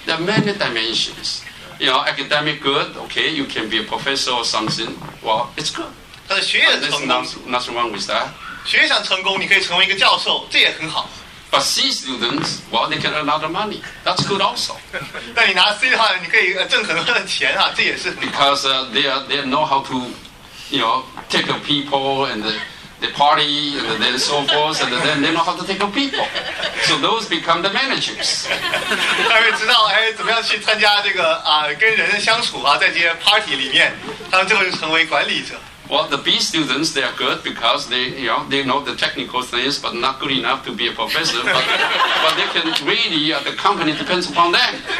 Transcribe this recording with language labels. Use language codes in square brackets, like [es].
[en] There are many dimensions. You know, academic good, okay, you can be a professor or something. Well, it's good. [zh] 他的学业成功。 [en] There's nothing wrong with that. [zh] 学业上成功，你可以成为一个教授，这也很好。 [en] But C students, well, they can earn a lot of money. That's good also. [zh] 但你拿 C 的话，你可以挣很多的钱啊，这也是。 [en] Because they know how to. You know, take a people and the party and then so forth, and then they know how to take a people. So those become the managers. [zh] 他们知道哎，怎么样去参加这个跟人的相处啊，在这些 party 里面，他们最后就成为管理者。 [en] Well, the B students they are good because they know the technical things, but not good enough to be a professor. But they can really the company depends upon them.